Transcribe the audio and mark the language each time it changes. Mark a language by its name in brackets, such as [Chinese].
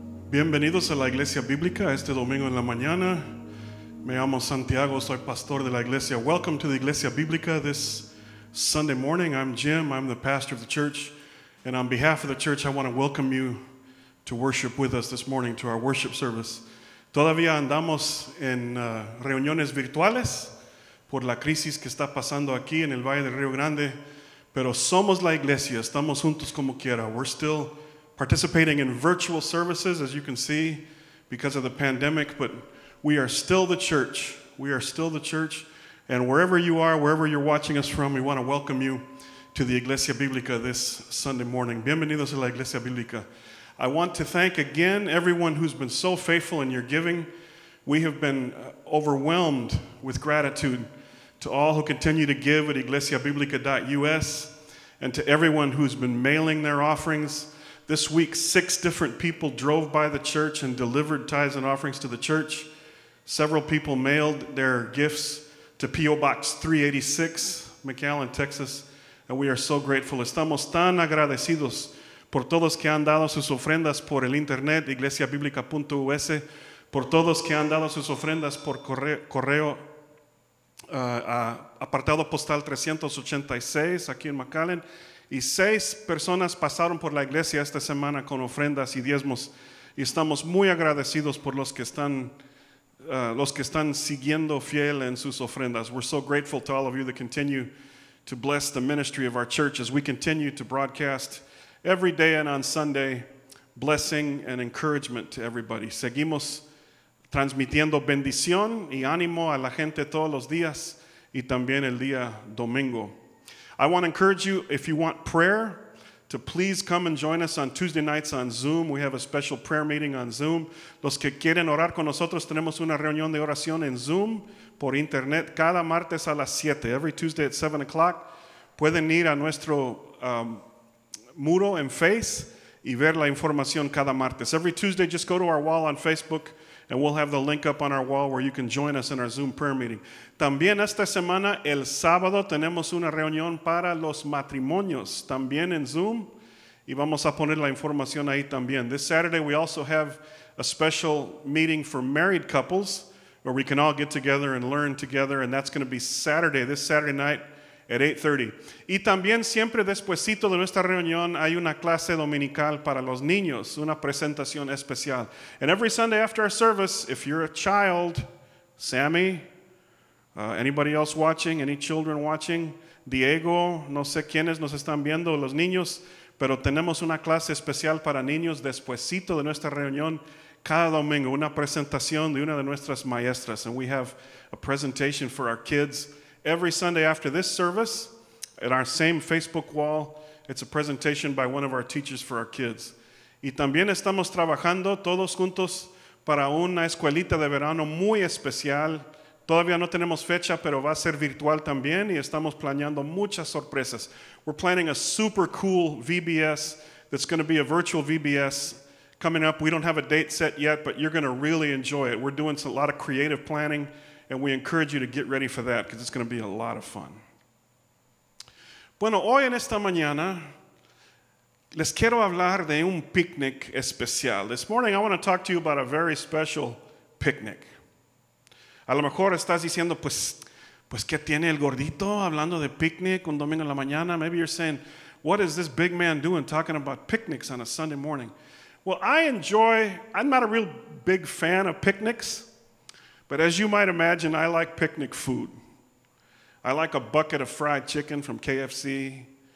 [Spanish] Bienvenidos a la Iglesia Bíblica este domingo en la mañana. Me llamo Santiago, soy pastor de la iglesia. [English] Welcome to the Iglesia Bíblica this Sunday morning. I'm Jim, I'm the pastor of the church. And on behalf of the church, I want to welcome you to worship with us this morning to our worship service. [Spanish] Todavía andamos en reuniones virtuales por la crisis que está pasando aquí en el Valle del Río Grande. Pero somos la iglesia, estamos juntos como quiera. [English] We're still participating in virtual services, as you can see, because of the pandemic, but we are still the church. We are still the church. And wherever you are, wherever you're watching us from, we want to welcome you to the Iglesia Bíblica this Sunday morning. [Spanish] Bienvenidos a la Iglesia Bíblica. [English] I want to thank again everyone who's been so faithful in your giving. We have been overwhelmed with gratitude to all who continue to give at iglesiabiblica.us and to everyone who's been mailing their offerings. This week, six different people drove by the church and delivered tithes and offerings to the church. Several people mailed their gifts to P.O. Box 386, McAllen, Texas. And we are so grateful. [Spanish] Estamos tan agradecidos por todos que han dado sus ofrendas por el internet, iglesiabiblica.us, por todos que han dado sus ofrendas por correo apartado postal 386, aquí en McAllen. Y seis personas pasaron por la iglesia esta semana con ofrendas y diezmos. Y estamos muy agradecidos por los que están siguiendo fiel en sus ofrendas. [English] We're so grateful to all of you that continue to bless the ministry of our church as we continue to broadcast every day and on Sunday, blessing and encouragement to everybody. [Spanish] Seguimos transmitiendo bendición y ánimo a la gente todos los días y también el día domingo. [English] I want to encourage you, if you want prayer, to please come and join us on Tuesday nights on Zoom. We have a special prayer meeting on Zoom. [Spanish] Los que quieren orar con nosotros, tenemos una reunión de oración en Zoom por internet cada martes a las 7. [English] Every Tuesday at 7 o'clock, [Spanish] pueden ir a nuestro muro en Face y ver la información cada martes. [English] Every Tuesday, just go to our wall on Facebook, and we'll have the link up on our wall where you can join us in our Zoom prayer meeting. [Spanish] También esta semana, el sábado, tenemos una reunión para los matrimonios, también en Zoom. Y vamos a poner la información ahí también. [English] This Saturday, we also have a special meeting for married couples where we can all get together and learn together. And that's going to be Saturday, this Saturday night at 8:30. [Spanish] Y también siempre despuesito de nuestra reunión hay una clase dominical para los niños, una presentación especial. [English] And every Sunday after our service, if you're a child, Sammy, anybody else watching, any children watching, [Spanish] Diego, no sé quiénes nos están viendo, los niños, pero tenemos una clase especial para niños despuesito de nuestra reunión cada domingo, una presentación de una de nuestras maestras. [English] And we have a presentation for our kids every Sunday after this service, at our same Facebook wall. It's a presentation by one of our teachers for our kids. [Spanish] Y también estamos trabajando todos juntos para una escuelita de verano muy especial. Todavía no tenemos fecha, pero va a ser virtual también y estamos planeando muchas sorpresas. [English] We're planning a super cool VBS that's going to be a virtual VBS coming up. We don't have a date set yet, but you're going to really enjoy it. We're doing a lot of creative planning. And we encourage you to get ready for that because it's going to be a lot of fun. [Spanish] Bueno, hoy en esta mañana, les quiero hablar de un picnic especial. [English] This morning, I want to talk to you about a very special picnic. [Spanish] A lo mejor estás diciendo, pues, ¿qué tiene el gordito hablando de picnic un domingo en la mañana? [English] Maybe you're saying, what is this big man doing talking about picnics on a Sunday morning? Well, I'm not a real big fan of picnics. But as you might imagine, I like picnic food. I like a bucket of fried chicken from KFC.